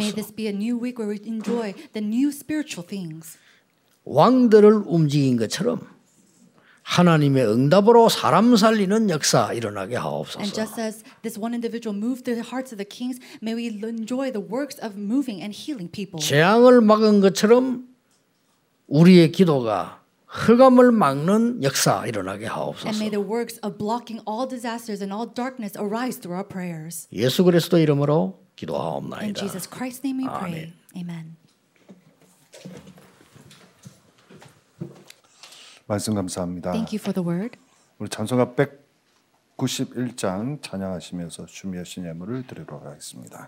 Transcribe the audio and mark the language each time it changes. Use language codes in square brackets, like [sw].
[en] May this be a new week where we enjoy the new spiritual things. [ko] 왕들을 움직인 것처럼 하나님의 응답으로 사람 살리는 역사 일어나게 하옵소서. [en] And just as this one individual moved the hearts of the kings, may we enjoy the works of moving and healing people. [ko] 재앙을 막은 것처럼 우리의 기도가 흑암을 막는 역사 일어나게 하옵소서. [en] And may the works of blocking all disasters and all darkness arise through our prayers. [ko] 예수 그리스도 이름으로 기도하옵나이다. [en] In Jesus Christ's name we pray. Amen. [ko] 말씀 감사합니다. [en] Thank you for the word. [ko] 우리 찬송가 191장 찬양하시면서 준비하신 예물을 드리도록 하겠습니다.